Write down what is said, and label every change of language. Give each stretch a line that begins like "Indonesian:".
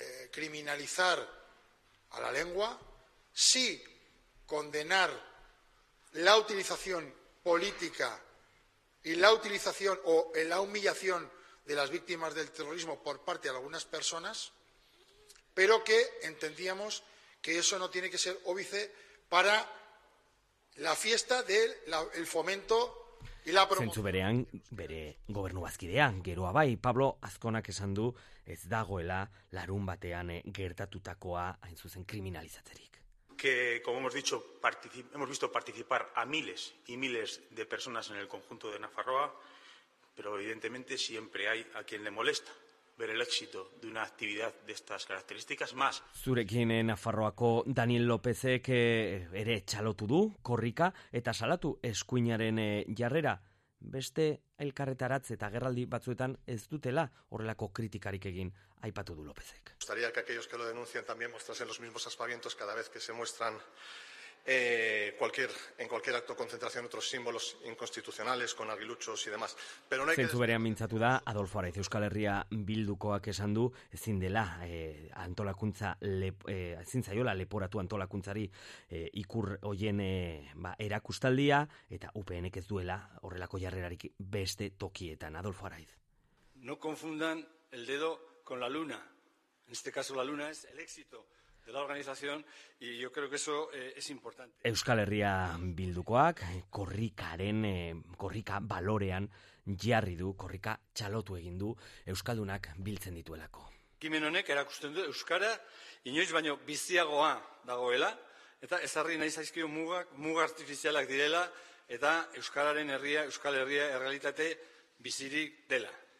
Spanish: Kriminalizar a la lengua, sí condenar la utilización política y la utilización o la humillación de las víctimas del terrorismo por parte de algunas personas, pero que entendíamos que eso no tiene que ser óbice para la fiesta del fomento y la promoción.
Basque: Zentzu berean, bere gobernu bazkidean, geroa bai, Pablo Azkonak esan du ez dagoela larun batean gertatutakoa hain zuzen kriminalizatzerik.
Spanish: Que, como hemos dicho, hemos visto participar a miles y miles de personas en el conjunto de Nafarroa, pero evidentemente siempre hay a quien le molesta ver el éxito de una actividad de estas características más.
Basque: Zurekin Nafarroako Daniel Lópezek ere txalotu du, korrika, eta salatu eskuinaren jarrera. Beste elkarretaratze eta gerraldi batzuetan ez dutela horrelako kritikarik egin aipatu du Lópezek.
Spanish: Gustaría que aquellos que lo denuncian también mostrasen los mismos aspavientos cada vez que se muestran en cualquier acto concentración otros símbolos inconstitucionales con aguiluchos y demás. Pero no hay
Basque: zentzu berean mintzatu da Adolfo Araiz Euskal Herria Bildukoak esan du ezin dela antolakuntza ezin zaiola leporatu antolakuntzari ikur hoien erakustaldia eta UPNek ez duela horrelako jarrerarik beste tokietan. Adolfo Araiz:
Spanish: No confundan el dedo con la luna. En este caso la luna es el éxito de la organización y yo creo que eso es importante.
Basque: Euskal Herria Bildukoak korrikaren korrika balorean jarri du, korrika txalotu egin du euskaldunak biltzen dituelako. Ekimen honek erakusten du euskara inoiz baino biziagoa dagoela eta ezarri nahi zaizkio muga artifizialak direla eta euskararen herria, Euskal Herria errealitate bizirik dela.